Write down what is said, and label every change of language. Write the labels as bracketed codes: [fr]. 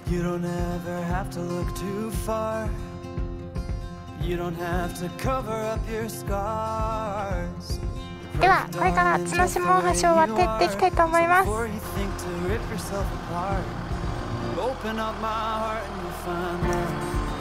[en] You don't ever have to look too far. You don't have to cover up your scars. [ja] では、これから角島大橋を渡っていきたいと思います。 [en] Before you think to rip yourself apart, open up my heart and you'll find that